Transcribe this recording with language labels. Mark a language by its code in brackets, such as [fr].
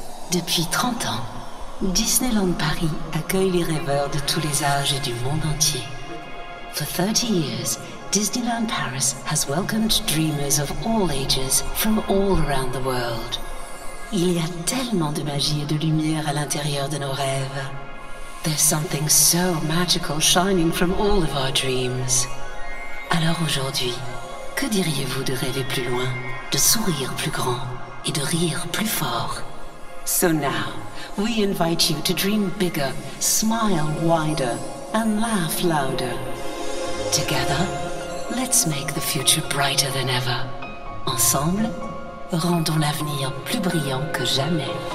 [fr] Depuis 30 ans, Disneyland Paris accueille les rêveurs de tous les âges et du monde entier. [en] For 30 years, Disneyland Paris has welcomed dreamers of all ages from all around the world. [fr] Il y a tellement de magie et de lumière à l'intérieur de nos rêves. [en] There's something so magical shining from all of our dreams. [fr] Alors aujourd'hui, que diriez-vous de rêver plus loin, de sourire plus grand et de rire plus fort? [en] So now, we invite you to dream bigger, smile wider, and laugh louder. Together, let's make the future brighter than ever. [fr] Ensemble, rendons l'avenir plus brillant que jamais.